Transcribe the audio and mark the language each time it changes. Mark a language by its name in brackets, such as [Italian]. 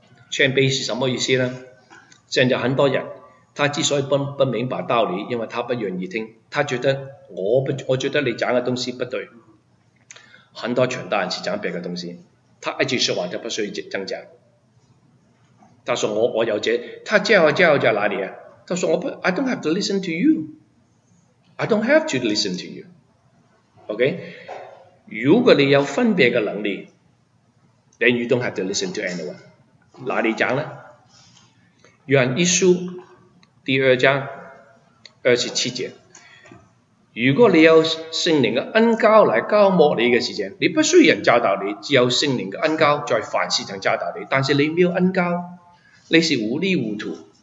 [Chinese] 谦卑是什么意思呢？现在很多人他之所以 不明白道理，因为他不愿意听，他觉得我觉得你讲的东西不对。很多传道人是讲别的东西，他一句说话就不需要增加。他说我有这，他叫在哪里啊？他说我不 [English] I don't have to listen to you， I don't have to listen to you， OK。 [Chinese] 如果你有分别的能力， [English] then you don't have to listen to anyone。 [Chinese] 哪里讲呢？约翰一书第二章二十七节，如果你有圣灵的恩膏来膏抹你的时间，你不需要人教导你，只有圣灵的恩膏在凡事上教导你，但是你没有恩膏，你是糊里糊涂，